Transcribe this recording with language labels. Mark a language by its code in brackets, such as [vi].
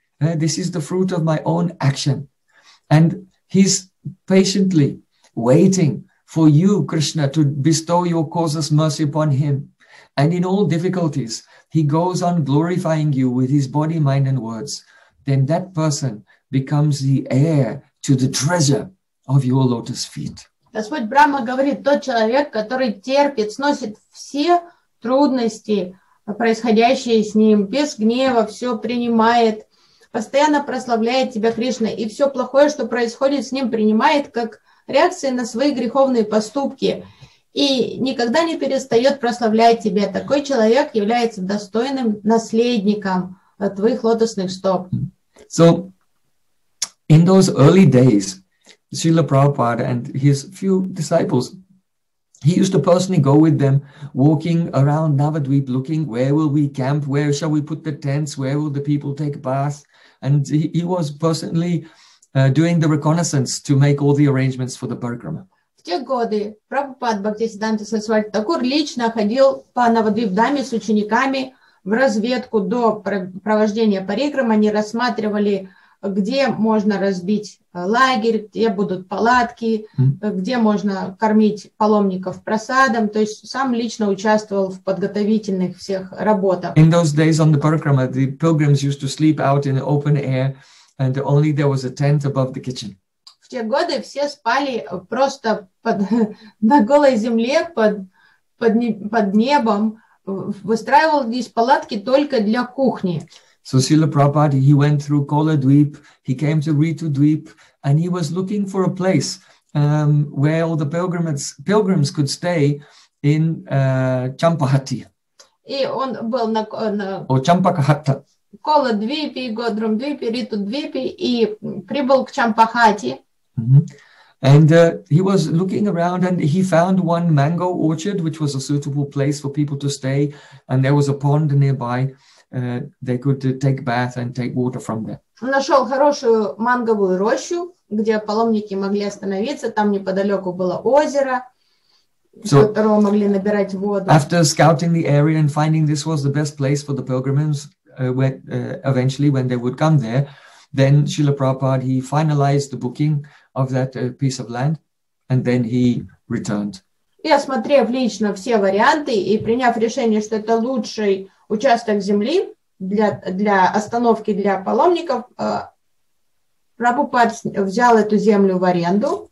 [en] This is the fruit of my own action. And he's patiently waiting for you, Krishna, to bestow your causeless mercy upon him. And in all difficulties, he goes on glorifying you with his body, mind, and words. Then that person becomes the heir to the treasure of your lotus feet. [ru] Господь Брама говорит, тот человек, который терпит, сносит все трудности, происходящие с ним, без гнева все принимает, постоянно прославляет тебя, Кришна, и все плохое, что происходит с ним, принимает как реакции на свои греховные поступки и никогда не перестает прославлять тебя. Такой человек является достойным наследником твоих лотосных стоп. [en] So, in those early days, Srila Prabhupada and his few disciples, he used to personally go with them, walking around Navadvip, looking where will we camp, where shall we put the tents, where will the people take bath. And he was personally doing the reconnaissance to make all the arrangements for the parikrama. [ru] В те годы Прабхупад Бхактисиддханта Сарасвати Такур лично ходил по Навадвип-даме с учениками в разведку до провождения парикрама. Они рассматривали, где можно разбить лагерь, где будут палатки, где можно кормить паломников просадом. То есть сам лично участвовал в подготовительных всех работах. [en] In those days on the parikrama, the pilgrims used to sleep out in the open air, and only there was a tent above the kitchen. [ru] В те годы все спали просто под, на голой земле, под небом. Выстраивал здесь палатки только для кухни. [en] So Srila Prabhupada, he went through Kola Dweep, he came to Ritu Dweep, and he was looking for a place where all the pilgrims could stay in Champahati. [ru] И он был на Champakahatta. Kola Dweep, Godrum Dweep, Ritu Dweep, и прибыл к Champahati. [en] And he was looking around, and he found one mango orchard, which was a suitable place for people to stay, and there was a pond nearby. They could take bath and take water from there. [ru] Нашел хорошую манговую рощу, где паломники могли остановиться. Там неподалеку было озеро, из которого могли набирать воду. [en] After scouting the area and finding this was the best place for the pilgrims, eventually when they would come there, then Srila Prabhupada, he finalized the booking of that piece of land, and then he returned. [ru] И осмотрев лично все варианты и приняв решение, что это лучший участок земли для остановки для паломников, Прабхупад взял эту землю в аренду.